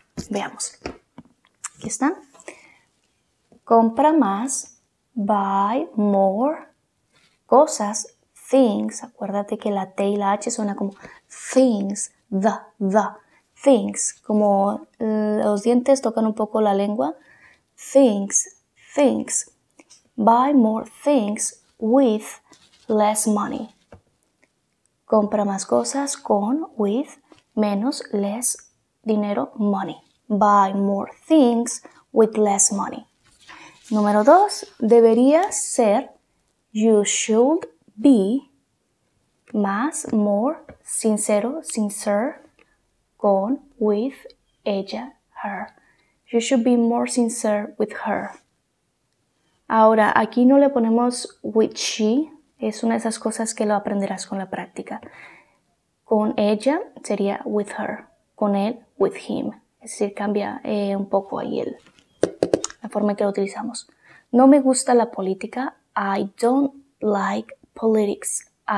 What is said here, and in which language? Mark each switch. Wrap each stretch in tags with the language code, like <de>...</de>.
<es>Veamos. Aquí está. Compra más.</es> <en>Buy more.</en> <es>Cosas.</es> <en>Things.</en> <es>Acuérdate que la T y la H suena como things.</es> <en>The. Things.</en> <es>Como los dientes tocan un poco la lengua.</es> <en>Things. Buy more things with less money.</en> <es>Compra más cosas con, with, menos, less, dinero, money.</es> <en>Buy more things with less money.</en> <es>Número 2. Debería ser,</es> <en>you should be,</en> <es>más, more, sincero, sincere, con, with, ella, her.</es> <en>You should be more sincere with her.</en> <es>Ahora, aquí no le ponemos</es> <en>with she.</en> <es>Es una de esas cosas que lo aprenderás con la práctica. Con ella sería</es> <en>with her.</en> <es>Con él,</es> <en>with him.</en> <es>Es decir, cambia un poco ahí la forma en que lo utilizamos. No me gusta la política.</es> <en>I don't like politics.</en>